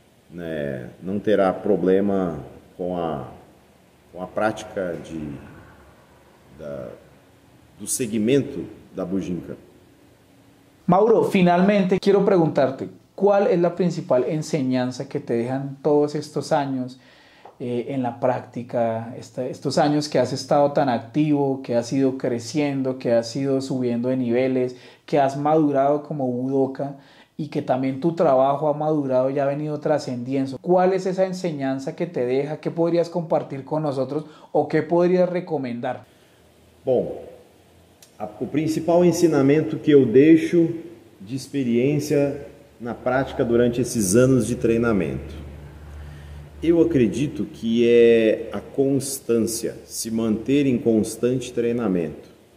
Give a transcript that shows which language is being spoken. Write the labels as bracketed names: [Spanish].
[Portuguese] né, não terá problema com a prática do seguimento da bujinca. [Spanish] Mauro, finalmente quiero preguntarte, ¿cuál es la principal enseñanza que te dejan todos estos años en la práctica, estos años que has estado tan activo, que has ido creciendo, que has ido subiendo de niveles, que has madurado como budoka y que también tu trabajo ha madurado y ha venido trascendiendo? ¿Cuál es esa enseñanza que te deja? ¿Qué podrías compartir con nosotros o qué podrías recomendar? [Portuguese] Bom, o principal ensinamento que eu deixo de experiência na prática durante esses anos de treinamento, eu acredito que é a constância, se manter em constante treinamento.